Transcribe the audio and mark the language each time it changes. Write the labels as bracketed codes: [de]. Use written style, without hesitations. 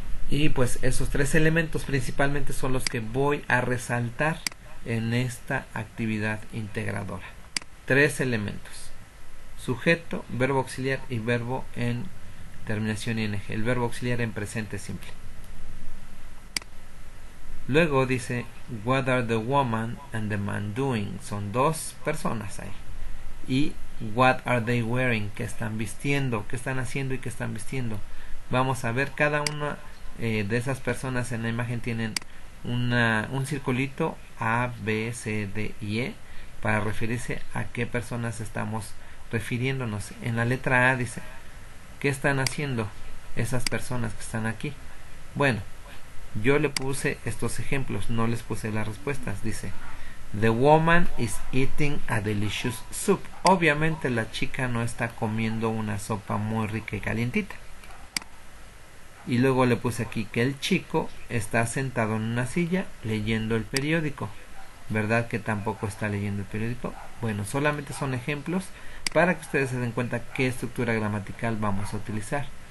[es] Y pues esos tres elementos principalmente son los que voy a resaltar en esta actividad integradora. Tres elementos: sujeto, verbo auxiliar y verbo en terminación ing, el verbo auxiliar en presente simple. Luego dice, [en] what are the woman and the man doing? [es] Son dos personas ahí. Y [en] what are they wearing? [es] ¿Qué están vistiendo? ¿Qué están haciendo y qué están vistiendo? Vamos a ver, cada una de esas personas en la imagen tienen un circulito A, B, C, D y E para referirse a qué personas estamos refiriéndonos. En la letra A dice, ¿qué están haciendo esas personas que están aquí? Bueno, yo le puse estos ejemplos, no les puse las respuestas. [en] Dice, the woman is eating a delicious soup. [es] Obviamente la chica no está comiendo una sopa muy rica y calientita. Y luego le puse aquí que el chico está sentado en una silla leyendo el periódico. ¿Verdad que tampoco está leyendo el periódico? Bueno, solamente son ejemplos para que ustedes se den cuenta qué estructura gramatical vamos a utilizar.